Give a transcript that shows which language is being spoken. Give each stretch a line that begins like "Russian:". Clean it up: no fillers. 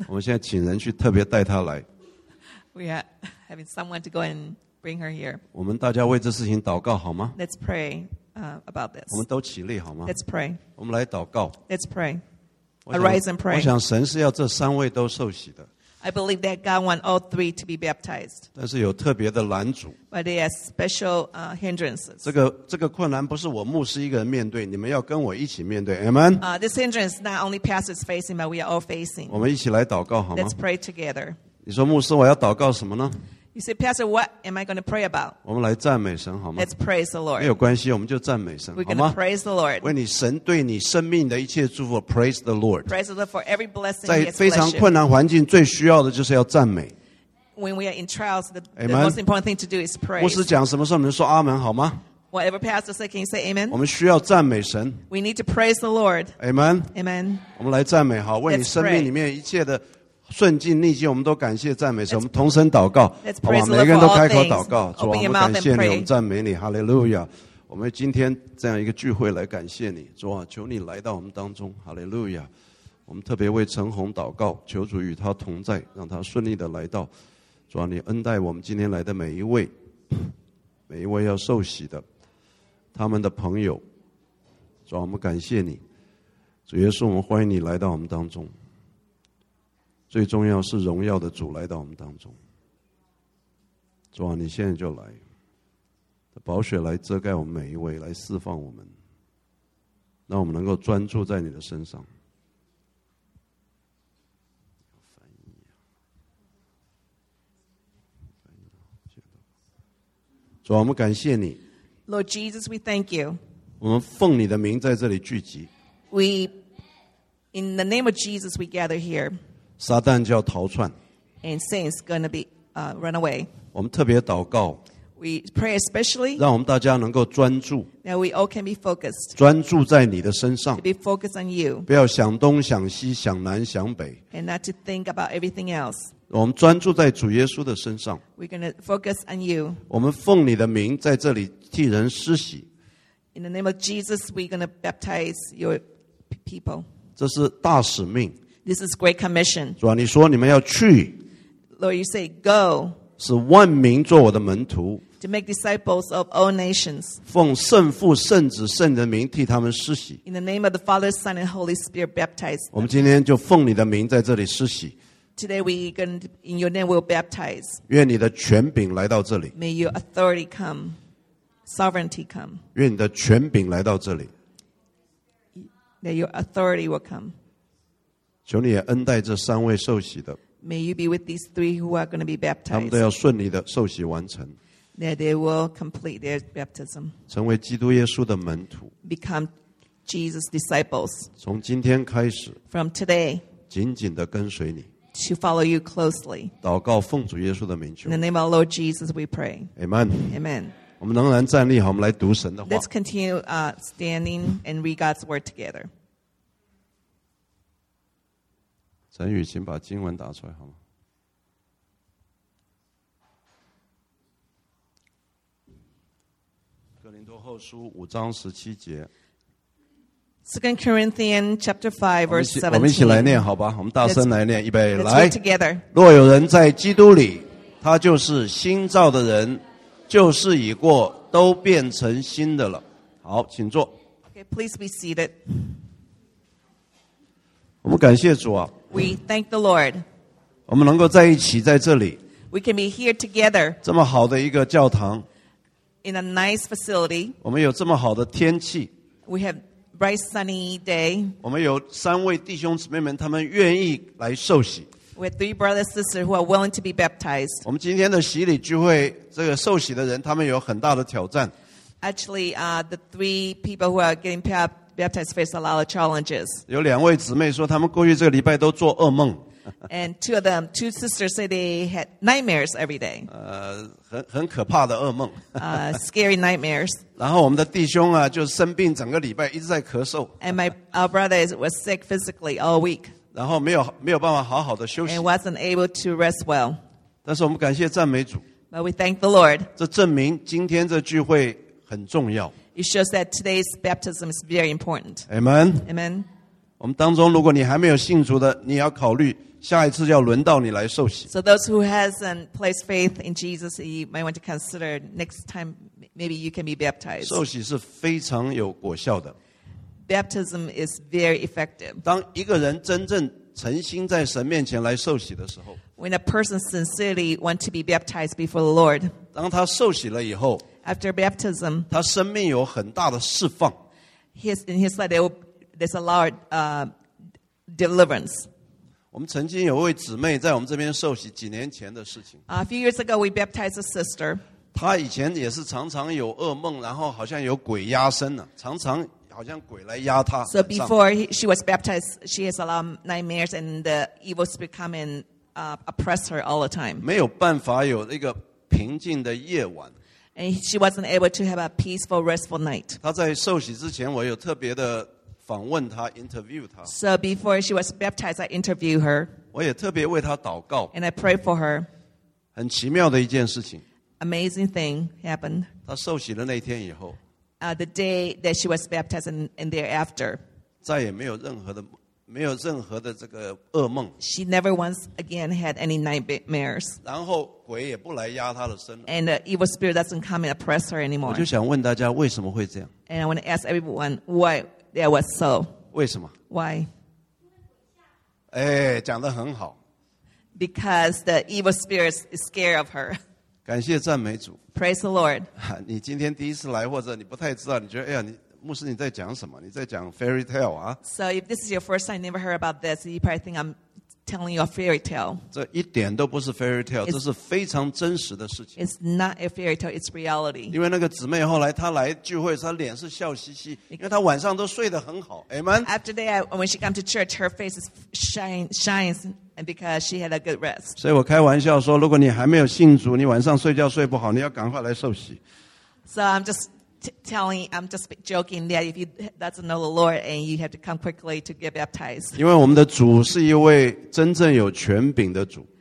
Chinese: 我们现在请人去特别带他来。
English: We are having someone to go and bring her here.
Chinese: 我们大家为这事情祷告好吗？
English: Let's pray about this.
Chinese: 我们都起立好吗？
English: Let's pray.
Chinese: 我们来祷告。
English: Let's pray. Arise and pray.
Chinese: 我想神是要这三位都受洗的。
English: I believe that God wants all three to be baptized.
Chinese: 但是有特别的拦阻。
English: But they have special hindrances.
Chinese: 这个困难不是我牧师一个人面对，你们要跟我一起面对。
English: Amen. This hindrance not only pastors facing, but we are all facing.
Chinese: 我们一起来祷告好吗？
English: Let's pray together.
Chinese: 你说牧师，我要祷告什么呢？
English: You say, Pastor, what am I going to pray about?
Chinese: 我们来赞美神好吗？
English: Let's praise the Lord.
Chinese: 没有关系，我们就赞美神好吗？
English: We're going to praise the Lord.
Chinese: 为你神对你生命的一切祝福 ，
English: praise the Lord. Praise the Lord for every blessing.
Chinese: 在非常困难环境，最需要的就是要赞美。
English: When we are in trials, the most important thing to do is praise.
Chinese: 牧师讲什么时候，你们说阿门好吗？
English: Whatever Pastor said, can you say Amen?
Chinese: 我们需要赞美神。
English: We need to praise the Lord. Amen. Amen.
Chinese: 我们来赞美好，为你生命里面一切的。顺境逆境我们都感谢赞美神我们同声祷告好吧每个人都开口祷告主我们感谢你我们赞美你哈利路亚我们今天这样一个聚会来感谢你主啊求你来到我们当中哈利路亚我们特别为陈红祷告求主与他同在让他顺利的来到主啊你恩待我们今天来的每一位要受洗的他们的朋友主啊我们感谢你主耶稣我们欢迎你来到我们当中最重要是荣耀的主来到我们当中主啊你现在就来宝血来遮盖我们每一位来释放我们让我们能够专注在你的身上主啊我们感谢你
English: Lord Jesus we thank you
Chinese: 我们奉你的名在这里聚集
English: We in the name of Jesus we gather here
Chinese: 撒旦就要逃窜
English: and Satan's gonna be run away.
Chinese: 我们特别祷告
English: we pray especially
Chinese: 让我们大家能够专注
English: that we all can be focused
Chinese: 专注在你的身上
English: to be focused on you
Chinese: 不要想东想西想南想北
English: and not to think about everything else
Chinese: 我们专注在主耶稣的身上
English: we're gonna focus on you
Chinese: 我们奉你的名在这里替人施洗
English: in the name of Jesus we're gonna baptize your people
Chinese: 这是大使命
English: This is great commission.
Chinese: 主啊，你说你们要去。
English: Lord, you say go.
Chinese: 是万民做我的门徒。
English: To make disciples of all nations.
Chinese: 奉圣父、圣子、圣灵的名替他们施洗。
English: In the name of the Father, Son, and Holy Spirit, baptize.
Chinese: 我们今天就奉你的名在这里施洗。
English: Today we can, in your name, we'll baptize.
Chinese: 愿你的权柄来到这里。
English: May your authority come, sovereignty come.
Chinese: 愿你的权柄来到这里。
English: May your authority will come.
Chinese: 求你也恩待这三位受洗的
English: May you be with these three who are going to be baptized
Chinese: 他们都要顺利的受洗完成
English: That they will complete their baptism
Chinese: 成为基督耶稣的门徒
English: Become Jesus' disciples
Chinese: 从今天开始
English: From today
Chinese: 紧紧的跟随你
English: To follow you closely
Chinese: 祷告奉主耶稣的名求
English: In the name of Lord Jesus we pray Amen Amen
Chinese: 我们仍然站立好我们来读神的话
English: Let's continue standing and read God's word together
Chinese: 陈宇，请把经文打出来好吗？哥林多后书五章十七节。
English: Second Corinthians chapter five, verse seventeen.
Chinese: 我们一起来念好吧，我们大声来念，预备，来。
English: Together.
Chinese: 若有人在基督里，他就是新造的人，旧事已过，都变成新的了。好，请坐。
English: Okay, please be seated.
Chinese: 我们感谢主啊。
English: We thank the Lord.
Chinese: 我们能够在一起在这里。
English: We can be here together.
Chinese: 这么好的一个教堂。
English: In a nice facility.
Chinese: 我们有这么好的天气。
English: We have bright sunny day.
Chinese: 我们有三位弟兄姊妹们，他们愿意来受洗。
English: We have three brothers and sisters who are willing to be baptized.
Chinese: 我们今天的洗礼聚会，这个受洗的人，他们有很大的挑战。
English: Actually, the three people who are getting baptized. Baptized face a lot of challenges.
Chinese: 有两位姊妹说他们过去这个礼拜都做噩梦。
English: And two of them, two sisters say they had nightmares every day.
Chinese: 很可怕的噩梦。
English: Scary nightmares.
Chinese: 然后我们的弟兄啊就生病整个礼拜一直在咳嗽。
English: And our brother was sick physically all week.
Chinese: 然后没有办法好好的休息。
English: And wasn't able to rest well.
Chinese: 但是我们感谢赞美主。
English: But we thank the Lord.
Chinese: 这证明今天这聚会很重要。
English: It shows that today's baptism is very important. Amen. Amen.
Chinese: 我们当中如果你还没有信主的，你要考虑下一次要轮到你来受洗。
English: So those who hasn't placed faith in Jesus, you might want to consider next time maybe you can be baptized.
Chinese: 受洗是非常有果效的。
English: Baptism is very effective.
Chinese: 当一个人真正诚心在神面前来受洗的时候，
English: When a person sincerely wants to be baptized before the Lord,
Chinese: 当他受洗了以后，
English: After baptism,
Chinese: 他生命有很大的释放。
English: In his life, there's a lot of deliverance.
Chinese: 我们曾经有位姊妹在我们这边受洗，几年前的事情。
English: A few years ago, we baptized a sister.
Chinese: 她以前也是常常有噩梦，然后好像有鬼压身呢，常常。好像鬼来压他。
English: So before she was baptized, she has a lot of nightmares, and the evil spirit come and oppress her all the time.
Chinese: 没有办法有一个平静的夜晚。
English: And she wasn't able to have a peaceful, restful night.
Chinese: 她在受洗之前，我有特别的访问她 ，interview 她。
English: So before she was baptized, I interviewed her.
Chinese: 我也特别为她祷告。
English: And I prayed for her.
Chinese: 很奇妙的一件事情。
English: Amazing thing happened.
Chinese: 她受洗的那天以后。
English: The day that she was baptized and thereafter,
Chinese: 再也没有任何的没有任何的这个噩梦。
English: She never once again had any nightmares.
Chinese: 然后鬼也不来压她的身。
English: And the evil spirit doesn't come and oppress her anymore.
Chinese: 我就想问大家为什么会这样。
English: And I want to ask everyone why that was so.
Chinese: 为什么？
English: Why?
Chinese: 哎，讲得很好。
English: Because the evil spirit is scared of her.
Chinese: 感谢赞美主。
English: Praise the Lord.
Chinese: 你今天第一次来，或者你不太知道，你觉得哎呀，你牧师你在讲什么？你在讲 fairy tale 啊
English: ？So if this is your first time, never heard about this, you probably think I'm telling you a fairy tale.
Chinese: 这一点都不是 fairy tale， 这是非常真实的事情。
English: It's not a fairy tale, it's reality.
Chinese: 因为那个姊妹后来她来聚会，她脸是笑嘻嘻，因为她晚上都睡得很好。
English: Amen. After that, when she come to church, her face is shines. And because she had a good rest.
Chinese: 所以我开玩笑说，如果你还没有信主，你晚上睡觉睡不好，你要赶快来受洗。
English: So I'm just telling, I'm just joking that if you doesn't know the Lord, and you have to come quickly to get baptized.
Chinese: 因为我们的主是一位真正有权柄的主。